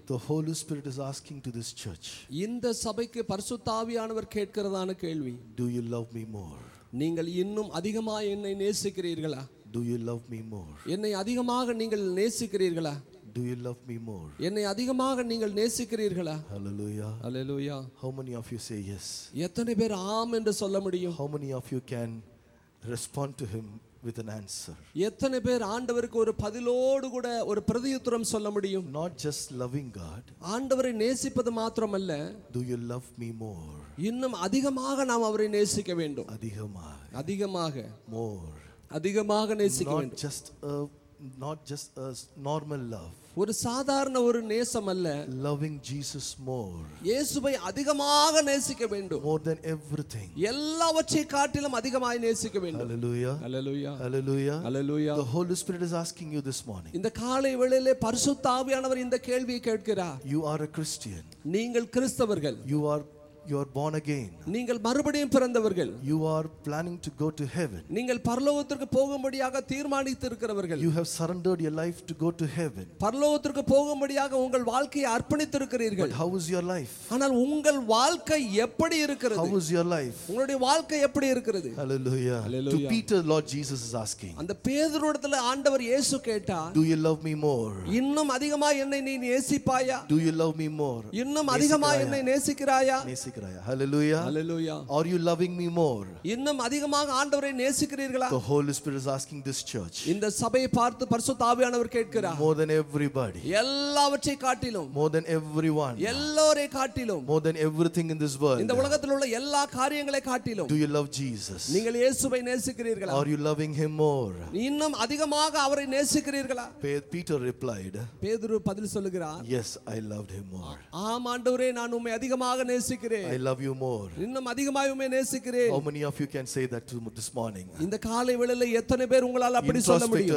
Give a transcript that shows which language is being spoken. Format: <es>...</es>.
<en>The Holy Spirit is asking to this church.</en> <ta>இந்த சபைக்கு பரிசுத்தாவியானவர் கேட்கிறதான கேள்வி.</ta> <en>Do you love me more?</en> <ta>நீங்கள் இன்னும் அதிகமாக என்னை நேசிக்கிறீர்களா?</ta> <en>Do you love me more?</en> <ta>என்னை அதிகமாக நீங்கள் நேசிக்கிறீர்களா?</ta> <en>do you love me more?</en> <ta>என்னை அதிகமாக நீங்கள் நேசிக்கிறீர்களா?</ta> <en>Hallelujah. Hallelujah. How many of you say yes?</en> <ta>எத்தனை பேர் ஆம் என்று சொல்ல முடியும்?</ta> <en>How many of you can respond to him with an answer?</en> <ta>எத்தனை பேர் ஆண்டவருக்கு ஒரு பதிலோடு கூட ஒரு பிரதியுத்தரம் சொல்ல முடியும்?</ta> <en>Not just loving God.</en> <ta>ஆண்டவரை நேசிப்பது மட்டுமல்ல.</ta> <en>Do you love me more?</en> <ta>இன்னும் அதிகமாக நாம் அவரை நேசிக்க வேண்டும். அதிகமாக. அதிகமாக.</ta> <en>More.</en> <ta>அதிகமாக நேசிக்க வேண்டும்.</ta> <en>Not just a normal love.</en> <ta>ஒரு சாதாரண ஒரு நேசம் அல்ல.</ta> <en>Loving Jesus more.</en> <ta>இயேசுவை அதிகமாக நேசிக்க வேண்டும்.</ta> <en>More than everything.</en> <ta>எல்லாவற்றை காட்டிலும் அதிகமாக நேசிக்க வேண்டும்.</ta> <en>Hallelujah. Hallelujah. Hallelujah. Hallelujah. The Holy Spirit is asking you this morning.</en> <ta>இந்த காலை வேளையிலே பரிசுத்த ஆவியானவர் இந்த கேள்வியை கேட்கிறார்.</ta> <en>You are a Christian.</en> <ta>நீங்கள் கிறிஸ்தவர்கள்.</ta> <en>You are born again.</en> <ta>நீங்கள் மறுபடியும் பிறந்தவர்கள்.</ta> <en>You are planning to go to heaven.</en> <ta>நீங்கள் பரலோகத்திற்கு போகும்படியாக தீர்மானித்து இருக்கிறவர்கள்.</ta> <en>You have surrendered your life to go to heaven.</en> <ta>பரலோகத்திற்கு போகும்படியாக உங்கள் வாழ்க்கையை அர்ப்பணித்து இருக்கிறீர்கள்.</ta> <en>But how is your life?</en> <ta>ஆனால் உங்கள் வாழ்க்கை எப்படி இருக்கிறது?</ta> <en>How is your life?</en> <ta>உங்களுடைய வாழ்க்கை எப்படி இருக்கிறது?</ta> <en>Hallelujah. Hallelujah. To Peter, Lord Jesus is asking.</en> <ta>அந்த பேதுருவிடத்தில் ஆண்டவர் இயேசு கேட்டார்.</ta> <en>Do you love me more?</en> <ta>இன்னும் அதிகமாக என்னை நீ நேசிப்பாயா?</ta> <en>Do you love me more?</en> <ta>இன்னும் அதிகமாக என்னை நேசிக்கிறாயா?</ta> <en>Hallelujah. Hallelujah. Are you loving me more?</en> <ta>இன்னும் அதிகமாக ஆண்டவரை நேசிக்கிறீர்களா?</ta> <en>The Holy Spirit is asking this church.</en> <ta>இந்த சபையை பார்த்து பரிசுத்த ஆவியானவர் கேட்கிறார்.</ta> <en>More than everybody.</en> <ta>எல்லாவற்றை காட்டிலும்.</ta> <en>More than everyone.</en> <ta>எல்லோரை காட்டிலும்.</ta> <en>More than everything in this world.</en> <ta>இந்த உலகத்தில் உள்ள எல்லா காரியங்களை காட்டிலும்.</ta> <en>Do you love Jesus?</en> <ta>நீங்கள் இயேசுவை நேசிக்கிறீர்களா?</ta> <en>Are you loving him more?</en> <ta>இன்னும் அதிகமாக அவரை நேசிக்கிறீர்களா?</ta> <en>Peter replied.</en> <ta>பேதுரு பதில் சொல்கிறார்.</ta> <en>Yes, I loved him more.</en> <ta>ஆம் ஆண்டவரே நான் உம்மை அதிகமாக நேசி</ta> <en>I love you more.</en> <ta>இன்னும் அதிகமாயுமே நேசிக்கிறேன்.</ta> <en>How many of you can say that to this morning?</en> <ta>இந்த காலை வேளையில எத்தனை பேர் உங்களால அப்படி சொல்ல முடியும்?</ta>